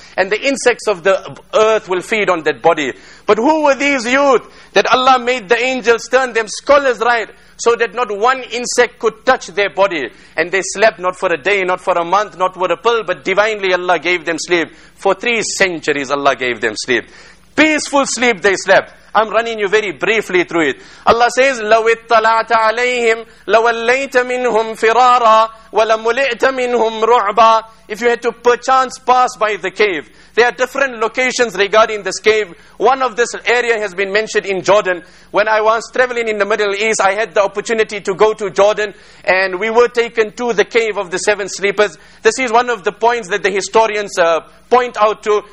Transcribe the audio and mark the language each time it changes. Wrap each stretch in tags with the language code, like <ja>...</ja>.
<en>And the insects of the earth will feed on that body. But who were these youth that Allah made the angels turn them scholars, right? So that not one insect could touch their body. And they slept not for a day, not for a month, not for a pill, but divinely Allah gave them sleep. For 3 centuries Allah gave them sleep. Peaceful sleep they slept. I'm running you very briefly through it. Allah says,</en> <ar>لو اطلعت عليهم لوليت منهم فرارا ولملئت منهم رعبا.</ar> <en>If you had to perchance pass by the cave. There are different locations regarding this cave. One of this area has been mentioned in Jordan. When I was traveling in the Middle East, I had the opportunity to go to Jordan. And we were taken to the cave of the 7 sleepers. This is one of the points that the historians point out to.</en>